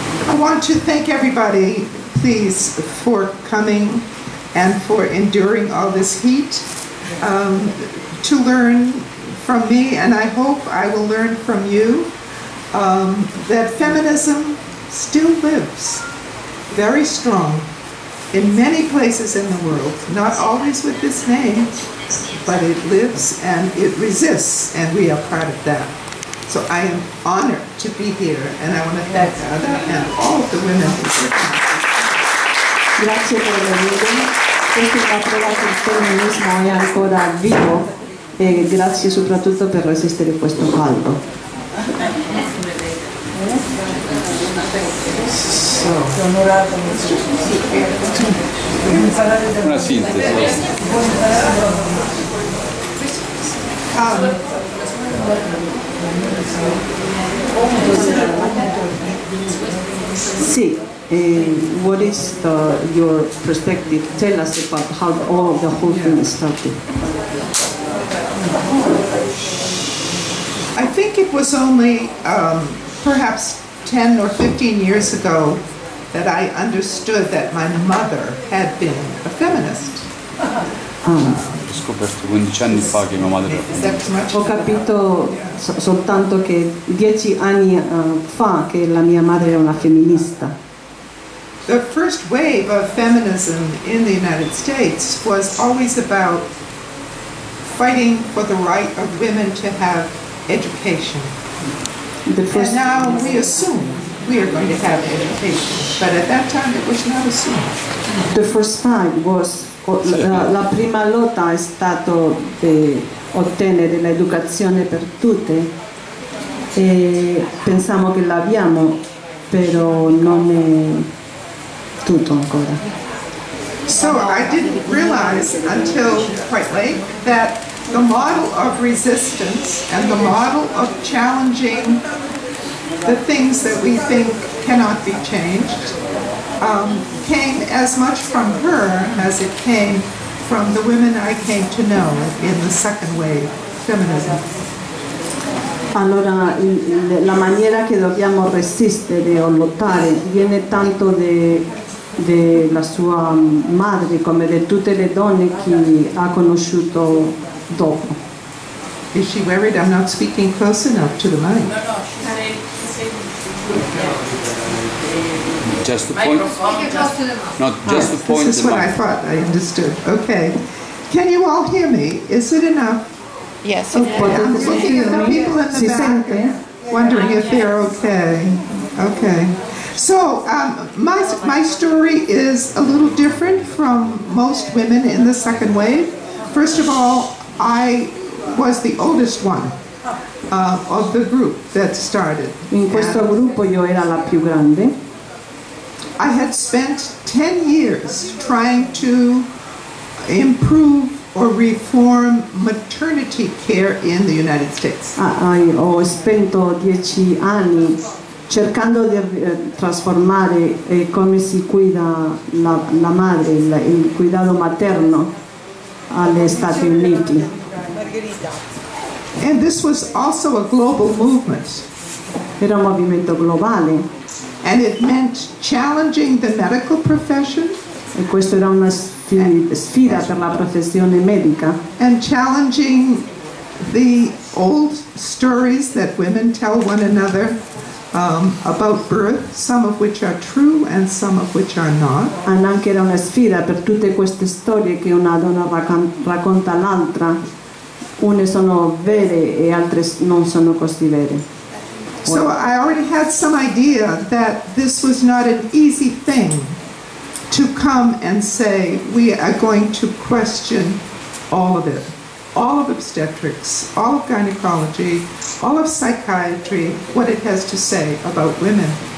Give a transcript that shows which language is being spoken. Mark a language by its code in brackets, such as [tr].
[en] I want to thank everybody, please, for coming and for enduring all this heat to learn from me, and I hope I will learn from you that feminism still lives very strong in many places in the world, not always with this name, but it lives and it resists, and we are part of that. So I am honored to be here, and I want to thank Ada and all the women. [it] Grazie per l'invito, perché ha trovato il femminismo è ancora vivo, e grazie soprattutto per resistere questo caldo. Una sintesi. Sì. [en] What is your perspective? Tell us about how the whole thing started. I think it was only perhaps 10 or 15 years ago that I understood that my mother had been a feminist. [it] Ho scoperto 15 anni fa che mia madre. Ho capito soltanto che 10 anni fa che la mia madre era una femminista. [en] The first wave of feminism in the United States was always about fighting for the right of women to have education. And now we assume we are going to have education, but at that time it was not assumed. The first time was [it] la prima lotta è stato di ottenere l'educazione per tutte, e pensiamo che l'abbiamo, però non è tutto ancora. [en] So I didn't realize until quite late that the model of resistance and the model of challenging the things that we think cannot be changed came as much from her as it came from the women I came to know in the second wave feminism. [it] Allora, la maniera che dobbiamo resistere o lottare viene tanto della sua madre, come di tutte le donne che ha conosciuto dopo. [en] Is she worried I'm not speaking close enough to the mic? No, just to point. Not just to point. This is what I thought. I understood. Okay. Can you all hear me? Is it enough? Yes. Okay. I'm looking at the people in the back, wondering if they're okay. Okay. So my story is a little different from most women in the second wave. First of all, I was the oldest one of the group that started. [it] In questo gruppo io era la più grande. [en] I had spent 10 years trying to improve or reform maternity care in the United States. [it] Ho spento 10 anni cercando di trasformare come si cuida la madre, il cuidado materno, agli Stati Uniti. verità. [en] And this was also a global movement. [it] Era un movimento globale. [en] And it meant challenging the medical profession. [it] E questo era una sfida per la professione medica. [en] And challenging the old stories that women tell one another about birth, some of which are true and some of which are not. [it] And anche era una sfida per tutte queste storie che una donna racconta all'altra. Une sono vere e altre non sono così vere. [en] So I already had some idea that this was not an easy thing to come and say we are going to question all of it, all of obstetrics, all of gynecology, all of psychiatry, what it has to say about women.